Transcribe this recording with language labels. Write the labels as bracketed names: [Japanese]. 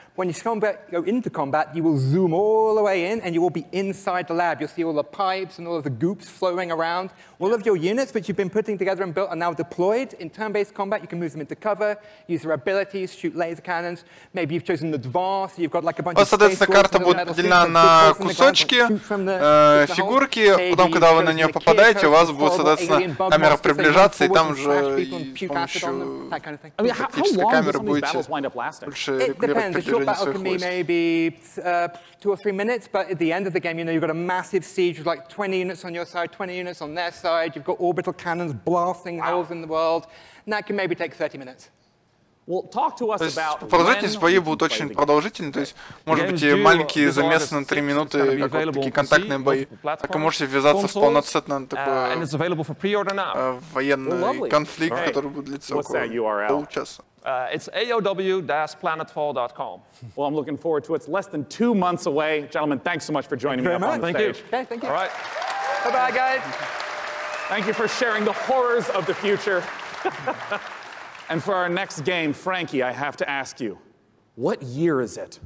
[English] When you go into combat, you will zoom all the way in and you will be inside the lab. You'll see all the pipes and all of the goops flowing around. All of your units, which you've been putting together and built, are now deployed. In turn-based combat, you can move them into cover, use their abilities, shoot laser cannons. Maybe you've chosen advance, you've got like a bunch of space force. [Russian] Карта будет поделена на кусочки, фигурки. Потом, когда вы на нее попадаете, у вас будет, соответственно, камера приближаться, и там же тактической камеры будете больше регулировать [English] Short battle can be maybe 2 or 3 minutes, but at the end of the game, you know, you've got a massive siege with like 20 units on your side, 20 units on their side. You've got orbital cannons blasting holes in the world, and that can maybe take 30 minutes. Well, talk to us [Russian] Продолжительность боев будет очень продолжительной, то есть, может быть, маленькие замесы на 3 минуты, как вот такие контактные бои, так и можете ввязаться в полноценный такой военный конфликт, который будет длиться около получаса. [English] It's aow-planetfall.com. Well, I'm looking forward to it. It's less than 2 months away. Gentlemen, thanks so much for joining me up on stage. Thank you. Okay, thank you. All right. Bye-bye, guys. Thank you for sharing the horrors of the future. And for our next game, Frankie, I have to ask you, what year is it?